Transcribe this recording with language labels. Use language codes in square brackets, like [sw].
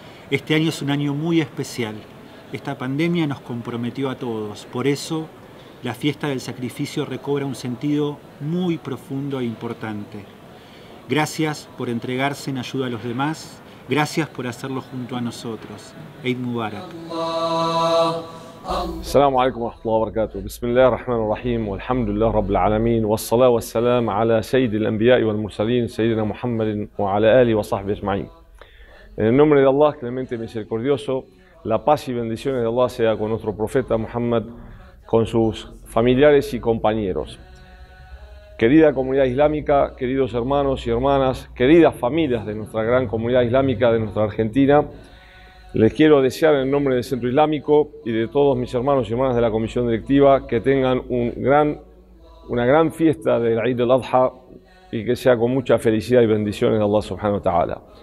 [es] Este año es un año muy especial. Esta pandemia nos comprometió a todos. Por eso, la fiesta del sacrificio recobra un sentido muy profundo e importante. Gracias por entregarse en ayuda a los demás. Gracias por hacerlo junto a nosotros. [ar] Eid Mubarak. السلام عليكم ورحمة الله وبركاته. بسم الله الرحمن الرحيم والحمد لله رب العالمين والصلاة والسلام على سيد الأنبياء والمرسلين سيدنا محمد وعلى آله وصحبه أجمعين. [es] En el nombre de Allah, clemente y misericordioso, la paz y bendiciones de Allah sea con nuestro profeta Muhammad, con sus familiares y compañeros. Querida comunidad islámica, queridos hermanos y hermanas, queridas familias de nuestra gran comunidad islámica de nuestra Argentina, les quiero desear en el nombre del Centro Islámico y de todos mis hermanos y hermanas de la Comisión Directiva que tengan una gran fiesta del Eid al-Adha y que sea con mucha felicidad y bendiciones de Allah [ar] subhanahu wa ta'ala.